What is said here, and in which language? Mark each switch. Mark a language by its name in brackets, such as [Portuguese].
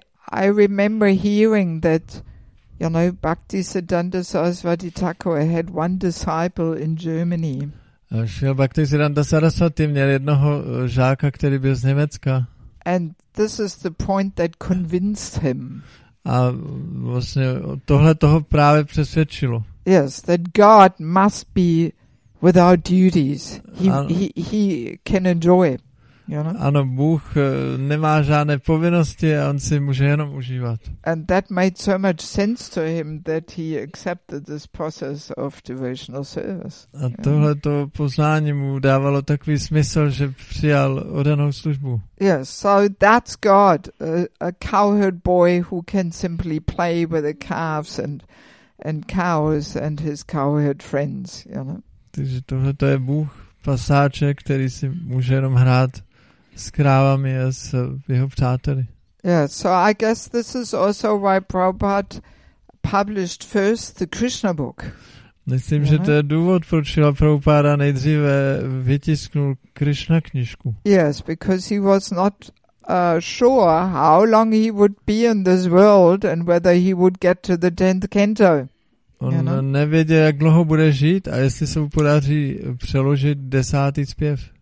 [English] I remember hearing that, you know, Bhaktisiddhanta Sarasvati Thakura had one disciple in Germany. [Czech] Bhaktisiddhanta Sarasvati měl jednoho žáka, který byl z Německa. [English] And this is the point that convinced him. [Czech] A vlastně tohle toho právě přesvědčilo. [English] Yes, that God must be without duties. He can enjoy. [Czech] Ano, Bůh nemá žádné povinnosti a on si může jenom užívat. [English] And that made so much sense to him that he accepted this process of devotional service. [Czech] A tohle to poznání mu dávalo takový smysl, že přijal oddanou službu. [English] Yes, so that's God, a cowherd boy who can simply play with the calves and cows and his cowherd friends, you know. [Czech] Takže tohle to je Bůh, pasáček, který si může jenom hrát s krávami a s jeho přáteli. [English] Yeah, so I guess this is also why Prabhupada published first the Krishna book. [Czech] Myslím, že to je důvod, proč Srila Prabhupada nejdříve vytisknul Krishna knižku. [English] Yes, because he was not sure how long he would be in this world and whether he would get to the 10th canto. [Czech] On nevěděl, jak dlouho bude žít a jestli se mu podaří přeložit desátý zpěv.